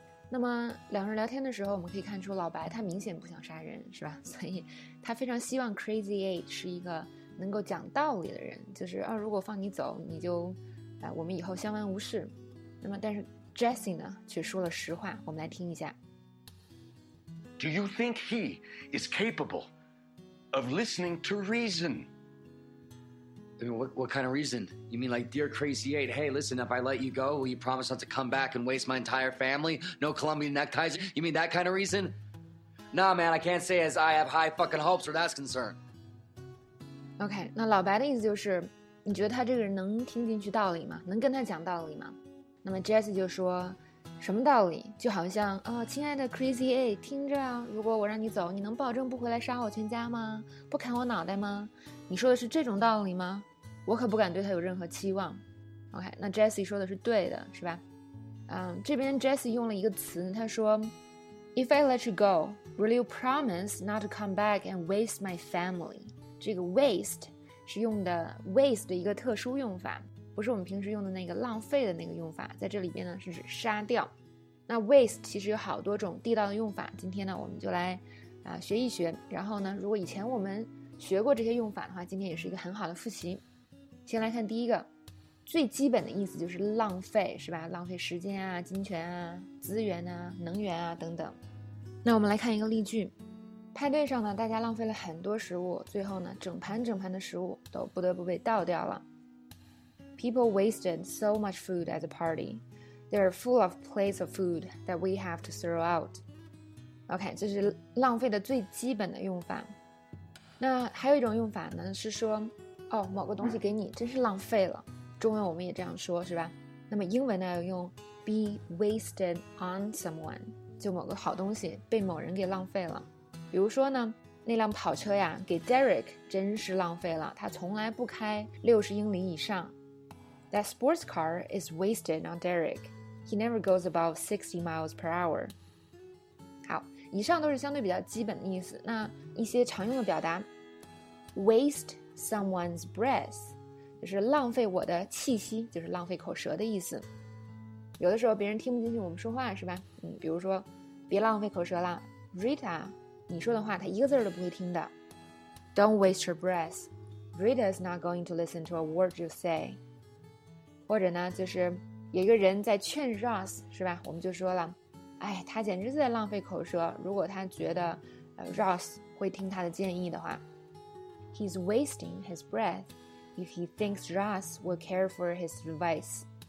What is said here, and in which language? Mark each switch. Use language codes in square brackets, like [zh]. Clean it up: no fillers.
[zh] 那么两人聊天的时候，我们可以看出老白他明显不想杀人，是吧？所以他非常希望 Crazy Eight 是一个能够讲道理的人，就是如果放你走，你就我们以后相安无事。那么但是Jesse 呢却说了实话，我们来听一下。 [en] Do you think he is capable of listening to reason? I mean, what kind of reason? You mean like, dear Crazy Eight, hey, listen, if I let you go, will you promise not to come back and waste my entire family? No Colombian neckties? You mean that kind of reason? Nah, man, I can't say as I have high fucking hopes where that's concerned. [zh] Okay, 那老白的意思就是，你觉得他这个人能听进去道理吗？能跟他讲道理吗？那么 Jesse 就说，什么道理？就好像亲爱的 Crazy A， 听着啊，如果我让你走，你能保证不回来杀我全家吗？不砍我脑袋吗？你说的是这种道理吗？我可不敢对他有任何期望。 OK， 那 Jesse 说的是对的，是吧？这边 Jesse 用了一个词，他说 [en] If I let you go, will you promise not to come back and waste my family? [zh] 这个 waste 是用的 waste 的一个特殊用法，不是我们平时用的那个浪费的那个用法，在这里边呢是指杀掉。那 waste 其实有好多种地道的用法，今天呢我们就来学一学。然后呢，如果以前我们学过这些用法的话，今天也是一个很好的复习。先来看第一个，最基本的意思就是浪费，是吧？浪费时间啊、金钱啊、资源啊、能源啊等等。那我们来看一个例句，派对上呢大家浪费了很多食物，最后呢整盘整盘的食物都不得不被倒掉了。 [en] People wasted so much food at the party. They are full of plates of food that we have to throw out. [zh] OK, 这是浪费的最基本的用法。那还有一种用法呢，是说某个东西给你真是浪费了。中文我们也这样说，是吧？那么英文呢要用 [en] be wasted on someone, [zh] 就某个好东西被某人给浪费了。比如说呢，那辆跑车呀给 Derek 真是浪费了，他从来不开60英里以上。 [en] That sports car is wasted on Derek. He never goes above 60 miles per hour. [zh] 好，以上都是相对比较基本的意思。那一些常用的表达 [en] waste someone's breath [zh] 就是浪费我的气息，就是浪费口舌的意思。有的时候别人听不进去我们说话，是吧？比如说别浪费口舌了 Rita, 你说的话她一个字都不会听的。 [en] Don't waste her breath. Rita is not going to listen to a word you say. [zh] 或者呢，就是有一个人在劝 Ross， 是吧？我们就说了，哎，他简直是在浪费口舌。如果他觉得Ross 会听他的建议的话 [en] ，He's wasting his breath if he thinks Ross will care for his advice。